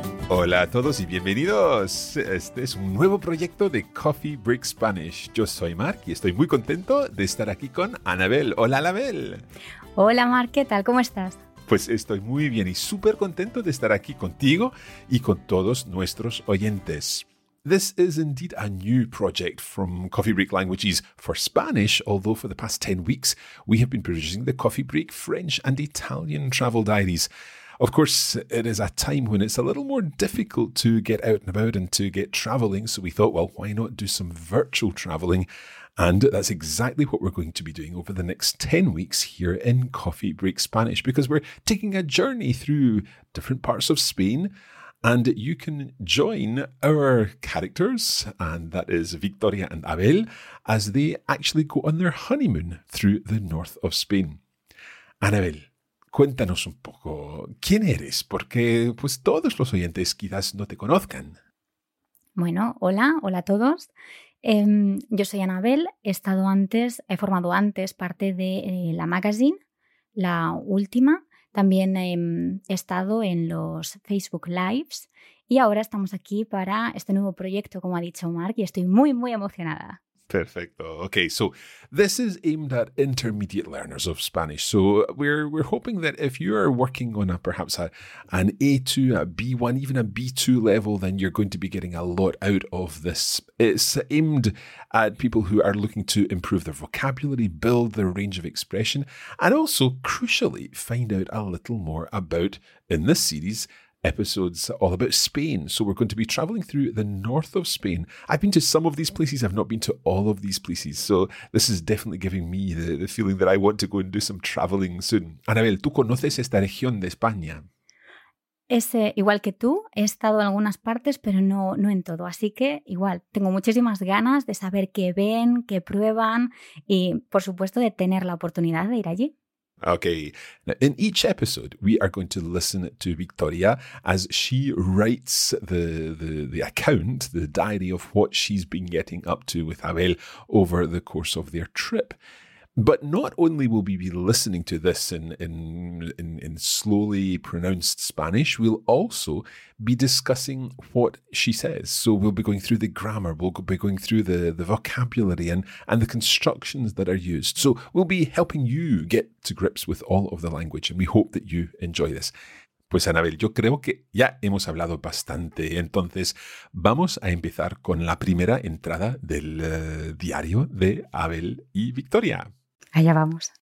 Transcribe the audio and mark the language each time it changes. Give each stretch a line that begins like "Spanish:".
Spanish: Hola a todos y bienvenidos. Este es un nuevo proyecto de Coffee Break Spanish. Yo soy Marc y estoy muy contento de estar aquí con Anabel. Hola, Anabel. Hola, Marc. ¿Qué tal? ¿Cómo estás? Pues estoy muy bien y súper contento de estar aquí contigo y con todos nuestros oyentes.
English: This is indeed a new project from Coffee Break Languages for Spanish, although for the past 10 weeks we have been producing the Coffee Break French and Italian Travel Diaries. Of course, it is a time when it's a little more difficult to get out and about and to get travelling, so we thought, well, why not do some virtual travelling? And that's exactly what we're going to be doing over the next 10 weeks here in Coffee Break Spanish, because we're taking a journey through different parts of Spain, and you can join our characters, and that is Victoria and Abel, as they actually go on their honeymoon through the north of Spain.
Spanish: Anabel, cuéntanos un poco, ¿quién eres? Porque pues todos los oyentes quizás no te conozcan. Bueno, hola, hola a todos. Yo soy Anabel, he formado antes parte de la magazine, la última. También he estado en los Facebook Lives y ahora estamos aquí para este nuevo proyecto, como ha dicho Marc, y estoy muy, muy emocionada. Perfecto.
English: Okay, so this is aimed at intermediate learners of Spanish. So we're hoping that if you are working on an A2, a B1, even a B2 level, then you're going to be getting a lot out of this. It's aimed at people who are looking to improve their vocabulary, build their range of expression, and also, crucially, find out a little more about, in this series, episodes all about Spain. So we're going to be traveling through the north of Spain. I've been to some of these places, I've not been to all of these places. So this is definitely giving me the feeling that I want to go and do some traveling soon.
Spanish: Anabel, ¿tú conoces esta región de España? Igual que tú, he estado en algunas partes, pero no en todo. Así que igual, tengo muchísimas ganas de saber qué ven, qué prueban y, por supuesto, de tener la oportunidad de ir allí.
English: Okay, now in each episode, we are going to listen to Victoria as she writes the account, the diary of what she's been getting up to with Abel over the course of their trip. But not only will we be listening to this in slowly pronounced Spanish, we'll also be discussing what she says. So we'll be going through the grammar, we'll be going through the vocabulary and the constructions that are used. So we'll be helping you get to grips with all of the language, and we hope that you enjoy this.
Spanish: Pues Anabel, yo creo que ya hemos hablado bastante. Entonces, vamos a empezar con la primera entrada del diario de Abel y Victoria. Allá vamos.